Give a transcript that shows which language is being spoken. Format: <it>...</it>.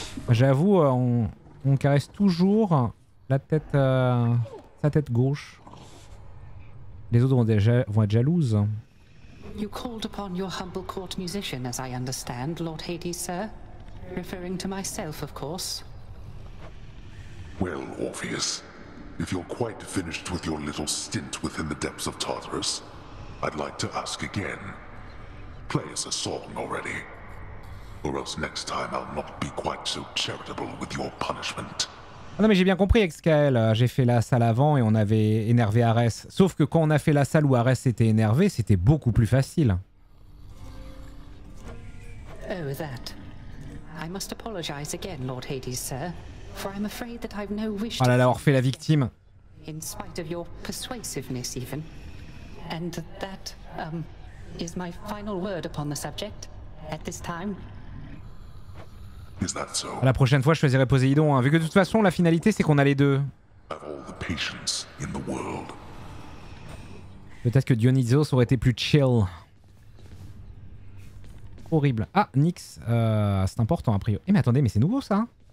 <fr>J'avoue, on caresse toujours la tête, sa tête gauche. Les autres vont être jalouses.</fr> <en>You called upon your humble court musician, as I understand, Lord Hades, sir. Referring to myself, of course. Well, Orpheus, if you're quite finished with your little stint within the depths of Tartarus, I'd like to ask again. Play us a song already. Or else next time I'll not be quite so charitable with your punishment.</en> <fr>Ah non mais j'ai bien compris XKL, j'ai fait la salle avant et on avait énervé Arès. Sauf que quand on a fait la salle où Arès était énervé, c'était beaucoup plus facile.</fr> <en>Oh that. I must apologize again, Lord Hades, sir, for I'm afraid that I've no wish to...</en> <fr>Oh là là, Orphée la victime.</fr> <en>In spite of your persuasiveness even. And that is my final word upon the subject at this time.</en> <fr>La prochaine fois, je choisirai Poséidon, hein, vu que de toute façon, la finalité, c'est qu'on a les deux. Peut-être que Dionysos aurait été plus chill. Horrible. Ah, Nyx, c'est important, a priori. Eh, mais attendez, mais c'est nouveau, ça.</fr>